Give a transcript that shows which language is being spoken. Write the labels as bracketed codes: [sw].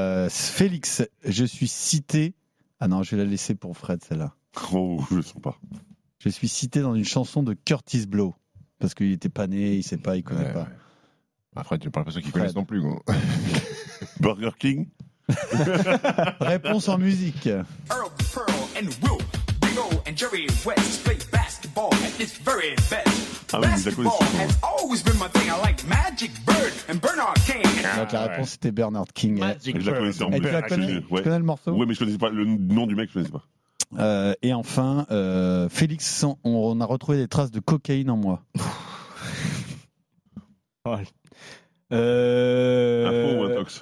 [fr] Félix, je suis cité... Ah non, je vais la laisser pour Fred, celle-là. Oh, je ne sens pas. Je suis cité dans une chanson de Curtis Blow. Parce qu'il n'était pas né, il ne sait pas, il ne connaît pas. Bah Fred, tu n'as pas l'impression qu'il connaisse non plus. Quoi. Burger King. Réponse en musique. [en] Earl Pearl and Will Bingo and Jerry West play basketball at its very best. Basketball has always been my thing. I like Magic Bird and Bernard King. [fr] Donc la réponse c'était Bernard King. Tu connais le morceau? Oui, mais je connaissais pas le nom du mec, je connaissais pas. Et enfin, Félix, on a retrouvé des traces de cocaïne en moi. Oh, Intox.